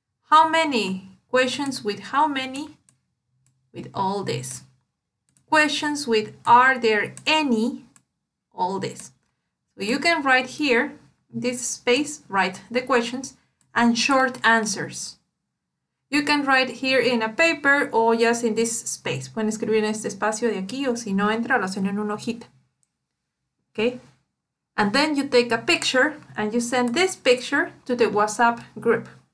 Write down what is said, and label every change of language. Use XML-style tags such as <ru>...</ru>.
<en>How many questions with how many? With all this. Questions with are there any? All this. You can write here, this space, write the questions and short answers. You can write here in a paper or just in this space.</en> <es>Pueden escribir en este espacio de aquí o si no entra, lo hacen en una hojita.</es> <en>Okay? And then you take a picture and you send this picture to the WhatsApp group.</en>